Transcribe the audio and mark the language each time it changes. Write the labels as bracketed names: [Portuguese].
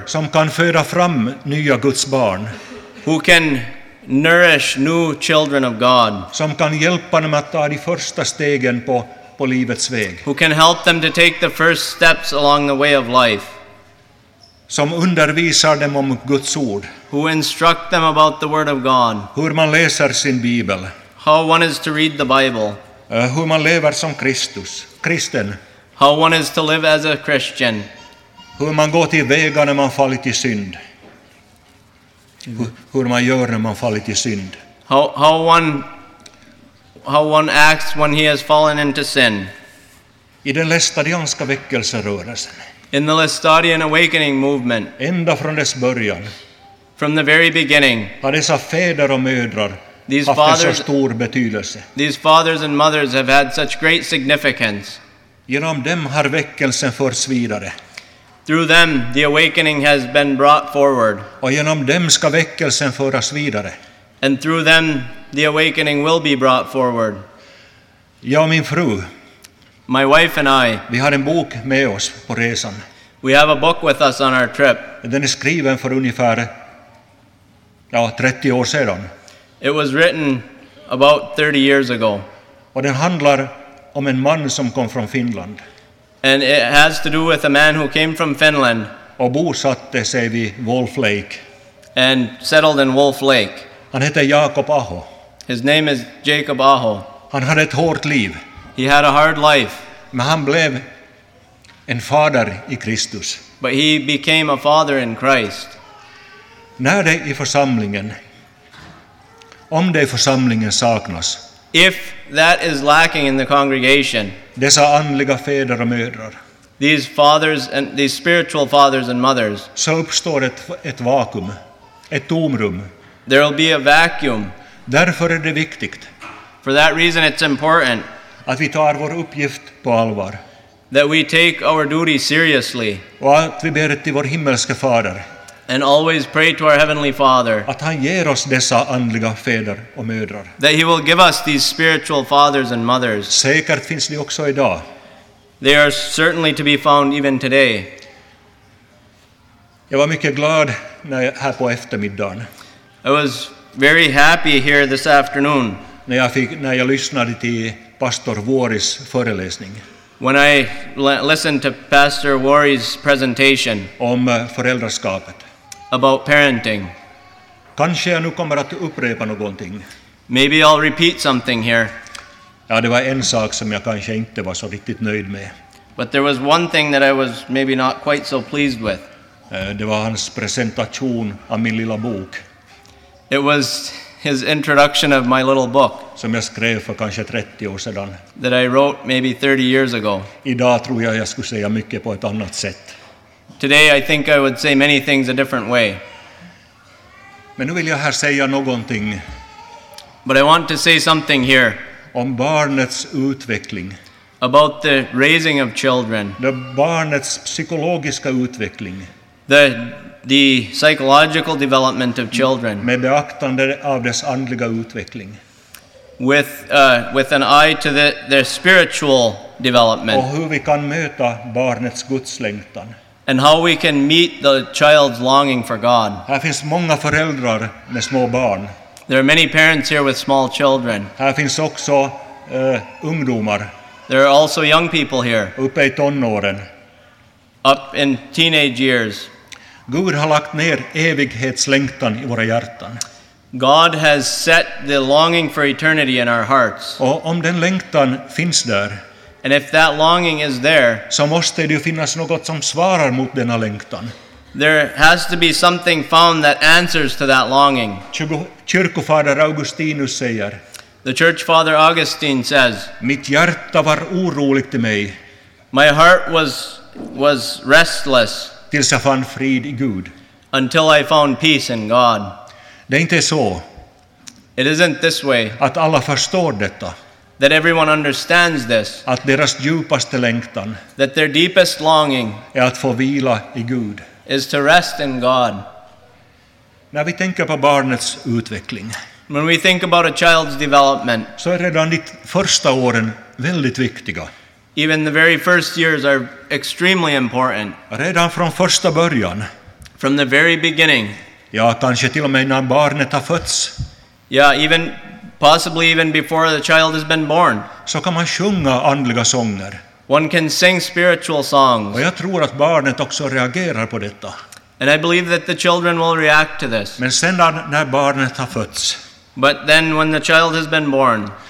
[Swedish] Som kan föra fram nya Guds barn. [English] Who can nourish new children of God. [Swedish] Som kan hjälpa dem att ta de första stegen på livets väg. [English] Who can help them to take the first steps along the way of life. [Swedish] Som undervisar dem om Guds ord. [English] Who instruct them about the word of God. [Swedish] Hur man läser sin bibel. [English] How one is to read the Bible. [Swedish] Hur man lever som kristen. [English] How one is to live as a Christian. [Swedish] Hur man går till väga när man fallit i synd. Hur man gör när man fallit i synd. [English] How one how one acts when he has fallen into sin. [Swedish] I den lestadianska väckelserörelsen. [English] In the Lestadian awakening movement. [Swedish] Ända från dess början. [English] From the very beginning. [Swedish] Har dessa fäder och mödrar haft [English] fathers, [Swedish] en så stor betydelse. [English] These fathers and mothers have had such great significance. [Swedish] Genom dem har väckelsen förts vidare. [English] Through them the awakening has been brought forward. [Swedish] Och genom dem ska väckelsen föras vidare. [English] And through them the awakening will be brought forward. [Swedish] Jag och min fru. [English] My wife and I. [Swedish] Vi har en bok med oss på resan. [English] We have a book with us on our trip. [Swedish] Den är skriven för ungefär 30 år sedan. [English] It was written about 30 years ago. [Swedish] Och den handlar om en man som kom från Finland. [English] And it has to do with a man who came from Finland. [Swedish] Och bosatte sig vid Wolf Lake. [English] And settled in Wolf Lake. [Swedish] Han heter Jakob Aho. [English] His name is Jacob Aho. [Swedish] Han hade ett hårt liv. [English] He had a hard life. [Swedish] Men han blev en fader i Kristus. [English] But he became a father in Christ. [Swedish] När det i församlingen, om det i församlingen saknas. [English] If that is lacking in the congregation. [Swedish] Dessa andliga fäder och mödrar. [English] These fathers and these spiritual fathers and mothers. [Swedish] Så uppstår ett vakuum, ett tomrum. [English] There will be a vacuum. [Swedish] Därför är det viktigt. [English] For that reason it's important. [Swedish] Att vi tar vår uppgift på allvar. [English] That we take our duty seriously. [Swedish] Och att vi ber till vår himmelska fader. [English] And always pray to our heavenly father. [Swedish] Att han ger oss dessa andliga fäder och mödrar. [English] That he will give us these spiritual fathers and mothers. [Swedish] Säkert finns de också idag. [English] They are certainly to be found even today. [Swedish] Jag var mycket glad när jag här på eftermiddagen. [English] I was very happy here this afternoon. [Swedish] När jag lyssnade till Pastor Vuoris föreläsning. [English] When I listened to Pastor Vuori's presentation. [Swedish] Om föräldraskapet. [English] About parenting. [Swedish] Kanske jag nu kommer att upprepa någonting. [English] Maybe I'll repeat something here. [Swedish] Ja, det var en sak som jag kanske inte var så riktigt nöjd med. [English] But there was one thing that I was maybe not quite so pleased with. [Swedish] Det var hans presentation av min lilla bok. [English] It was his introduction of my little book. [Swedish] Som jag skrev för kanske 30 år sedan. [English] That I wrote maybe 30 years ago. [Swedish] Idag tror jag skulle säga mycket på ett annat sätt. [English] Today I think I would say many things a different way. [Swedish] Men nu vill jag här säga någonting. [English] But I want to say something here. [Swedish] Om barnets utveckling. [English] About the raising of children. The [Swedish] barnets psykologiska utveckling. [English] The psychological development of children. [Swedish] Med beaktande av dess andliga utveckling. [English] With an eye to their spiritual development. [Swedish] Och hur vi kan möta barnets gudslängtan. [English] And how we can meet the child's longing for God. [Swedish] Här finns många föräldrar med små barn. [English] There are many parents here with small children. [Swedish] Här finns också ungdomar. [English] There are also young people here. [Swedish] Uppe i tonåren. [English] Up in teenage years. [Swedish] Gud har lagt ner evighetslängtan i våra hjärtan. [English] God has set the longing for eternity in our hearts. [Swedish] Och om den längtan finns där. [English] And if that longing is there. [Swedish] Så måste det ju finnas något som svarar mot denna längtan. [English] There has to be something found that answers to that longing. [Swedish] Kyrkofader Augustinus säger. [English] The church father Augustine says. [Swedish] Mitt hjärta var oroligt i mig. [English] My heart was restless. [Swedish] Tills jag fann frid i Gud. [English] Until I found peace in God. [Swedish] Det är inte så. [English] It isn't this way. [Swedish] Att alla förstår detta. [English] That everyone understands this. [Swedish] Att deras djupaste längtan. [English] That their deepest longing. [Swedish] Är att få vila i Gud. [English] Is to rest in God. [Swedish] När vi tänker på barnets utveckling. [English] When we think about a child's development. [Swedish] Så är redan de första åren väldigt viktiga. [English] Even the very first years are extremely important. [Swedish] Redan från första början. [English] From the very beginning. [Swedish] Ja, kanske till och med när barnet har fötts. [English] Yeah, even possibly even before the child has been born. [Swedish] Så kan man sjunga andliga sånger. [English] One can sing spiritual songs. [Swedish] Och jag tror att barnet också reagerar på detta. [English] And I believe that the children will react to this. [Swedish] Men sen när barnet har fötts. [English] But then when the child has been born.